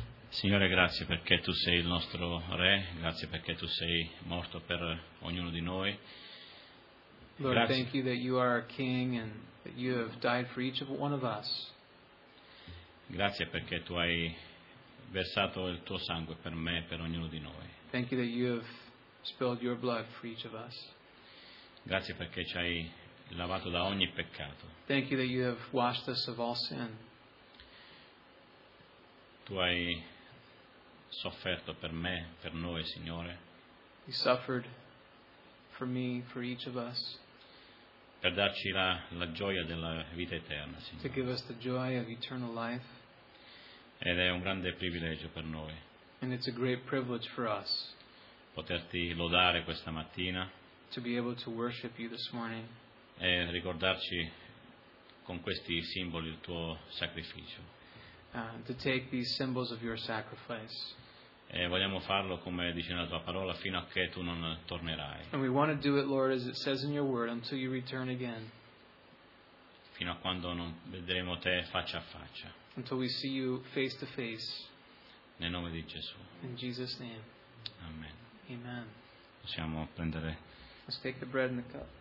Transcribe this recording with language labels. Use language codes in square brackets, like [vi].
[it] Signore, grazie perché tu sei il nostro re, grazie perché tu sei morto per ognuno di noi. Lord, grazie. [en] Thank you that you are our king and that you have died for each one of us. [it] Grazie perché tu hai versato il tuo sangue per me e per ognuno di noi. [en] Thank you that you have spilled your blood for each of us. [it] Grazie perché ci hai lavato da ogni peccato. [en] Thank you that you have washed us of all sin. [it] Tu hai sofferto per me, per noi, Signore. [en] You suffered for me, for each of us. [it] Per darci la gioia della vita eterna, Signore. [en] To give us the joy of eternal life. [it] Ed è un grande privilegio per noi. [en] And it's a great privilege for us. [it] Poterti lodare questa mattina. [en] To be able to worship you this morning. [it] E ricordarci con questi simboli il tuo sacrificio. [en] To take these symbols of your sacrifice. [it] E vogliamo farlo come dice nella tua parola fino a che tu non tornerai. [en] And we want to do it, Lord, as it says in your word, until you return again. [it] Fino a quando non vedremo te faccia a faccia. [en] Until we see you face to face. [it] Nel nome di Gesù. [en] In Jesus' name. Amen. [it] Amen. Possiamo prendere. [en] Let's take the bread and the cup.